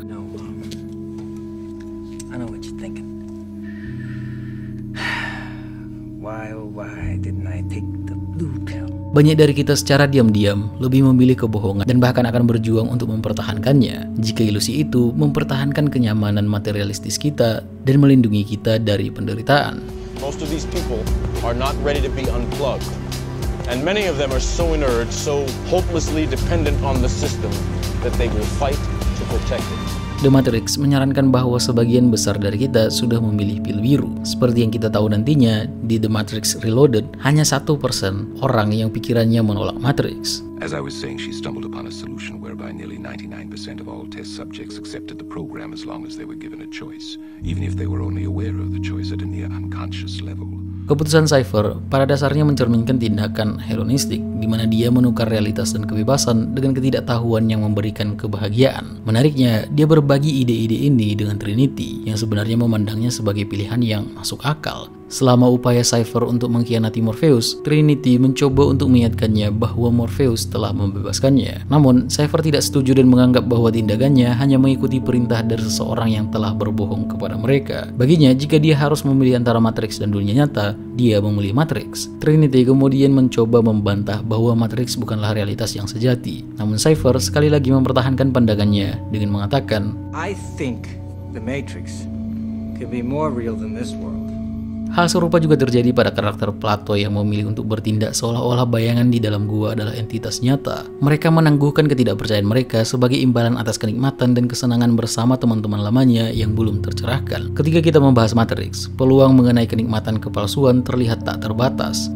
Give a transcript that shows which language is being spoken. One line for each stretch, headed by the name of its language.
English: No. I know what you're thinking. Why didn't I take the blue pill?
Indonesian: Banyak dari kita secara diam-diam lebih memilih kebohongan dan bahkan akan berjuang untuk mempertahankannya jika ilusi itu mempertahankan kenyamanan materialistis kita dan melindungi kita dari penderitaan.
English: Most of these people are not ready to be unplugged, and many of them are so inert, so hopelessly dependent on the system that they will fight to protect it.
Indonesian: The Matrix menyarankan bahwa sebagian besar dari kita sudah memilih pil biru. Seperti yang kita tahu nantinya, di The Matrix Reloaded, hanya 1% orang yang pikirannya menolak Matrix.
English: As I was saying, she stumbled upon a solution whereby nearly 99% of all test subjects accepted the program as long as they were given a choice, even if they were only aware of the choice at a near unconscious level.
Indonesian: Keputusan Cypher pada dasarnya mencerminkan tindakan hedonistik, di mana dia menukar realitas dan kebebasan dengan ketidaktahuan yang memberikan kebahagiaan. Menariknya, dia berbagi ide-ide ini dengan Trinity, yang sebenarnya memandangnya sebagai pilihan yang masuk akal. Selama upaya Cypher untuk mengkhianati Morpheus, Trinity mencoba untuk mengingatkannya bahwa Morpheus telah membebaskannya. Namun, Cypher tidak setuju dan menganggap bahwa tindakannya hanya mengikuti perintah dari seseorang yang telah berbohong kepada mereka. Baginya, jika dia harus memilih antara Matrix dan dunia nyata, dia memilih Matrix. Trinity kemudian mencoba membantah bahwa Matrix bukanlah realitas yang sejati. Namun Cypher sekali lagi mempertahankan pandangannya dengan mengatakan,
English: "I think the Matrix could be more real than this world."
Indonesian: Hal serupa juga terjadi pada karakter Plato yang memilih untuk bertindak seolah-olah bayangan di dalam gua adalah entitas nyata. Mereka menangguhkan ketidakpercayaan mereka sebagai imbalan atas kenikmatan dan kesenangan bersama teman-teman lamanya yang belum tercerahkan. Ketika kita membahas Matrix, peluang mengenai kenikmatan kepalsuan terlihat tak terbatas.